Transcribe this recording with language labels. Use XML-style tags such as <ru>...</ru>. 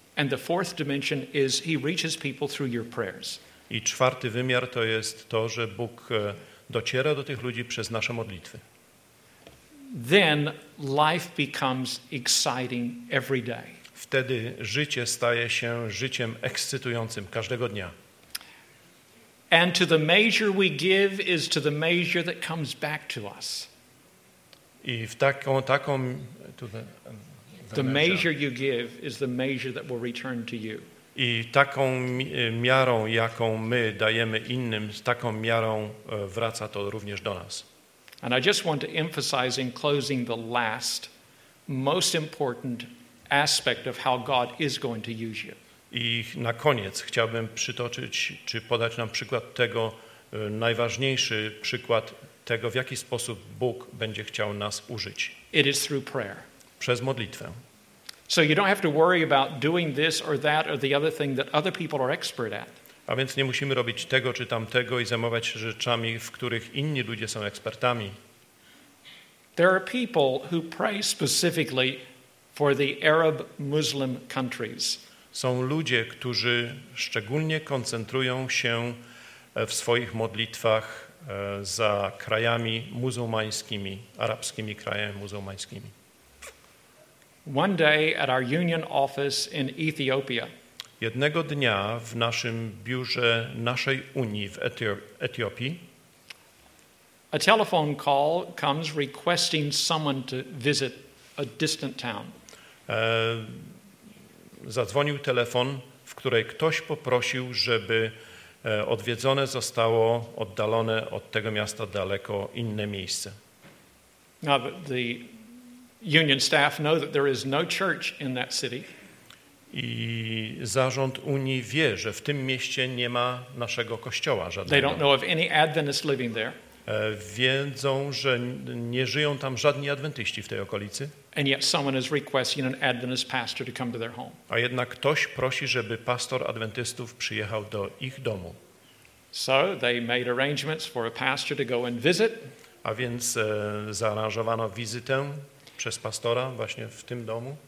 <en>And the fourth dimension is he reaches people through your prayers.</en> <pl>I czwarty wymiar to jest to, że Bóg dociera do tych ludzi przez nasze modlitwy.</pl> <en>Then life becomes exciting every day.</en> <pl>Wtedy życie staje się życiem ekscytującym każdego dnia.</pl> <en>And to the measure we give is to the measure that comes back to us.</en> <pl>I w taką to</pl> <en>the measure you give is the measure that will return to you.</en> <pl>I taką miarą, jaką my dajemy innym, z taką miarą wraca to również do nas.</pl> <en>And I just want to emphasize in closing the last most important aspect of how God is going to use you.</en> <pl>I na koniec chciałbym przytoczyć czy podać nam przykład tego, najważniejszy przykład tego, w jaki sposób Bóg będzie chciał nas użyć.</pl> <en>It is through prayer.</en> <pl>Przez modlitwę.</pl> <en>So you don't have to worry about doing this or that or the other thing that other people are expert at.</en> <pl>A więc nie musimy robić tego czy tamtego i zajmować się rzeczami, w których inni ludzie są ekspertami.</pl> <en>There are people who pray specifically for the Arab Muslim countries.</en> <pl>Są ludzie, którzy szczególnie koncentrują się w swoich modlitwach za krajami muzułmańskimi, arabskimi krajami muzułmańskimi.</pl> <en>One day at our union office in Ethiopia.</en> <pl>Jednego dnia w naszym biurze naszej Unii w Etiopii.</pl> <en>A telephone call comes requesting someone to visit a distant town.</en> <pl>Zadzwonił telefon, w której ktoś poprosił, żeby odwiedzone zostało oddalone od tego miasta daleko inne miejsce.</pl> <en>Now the union staff know that there is no church in that city.</en> <pl>I zarząd Unii wie, że w tym mieście nie ma naszego kościoła żadnego.</pl> <en>They don't know of any Adventists living there.</en> <pl>Wiedzą, że nie żyją tam żadni adwentyści w tej okolicy.</pl> <en>And yet someone is requesting an Adventist pastor to come to their home.</en> <pl>A jednak ktoś prosi, żeby pastor adwentystów przyjechał do ich domu.</pl> <en>So they made arrangements for a pastor to go and visit.</en> <pl>A więc zaaranżowano wizytę przez pastora właśnie w tym domu.</pl>